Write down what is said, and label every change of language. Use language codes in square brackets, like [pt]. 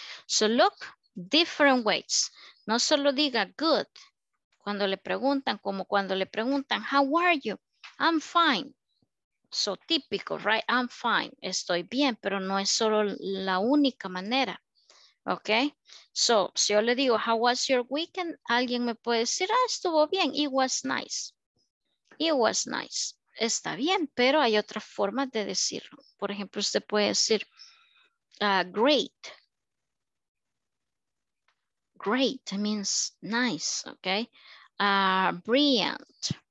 [en] So look, different ways. [es] No solo diga good cuando le preguntan, [en] como cuando le preguntan, how are you? I'm fine. So típico, right? I'm fine. [es] Estoy bien, pero no es solo la única manera. Ok. [en] So, [es] si yo le digo, [en] how was your weekend? [es] Alguien me puede decir, ah, estuvo bien. [en] It was nice. It was nice. [es] Está bien, pero hay otra forma de decirlo. Por ejemplo, usted puede decir, great. [en] Great means nice. Ok. Brilliant.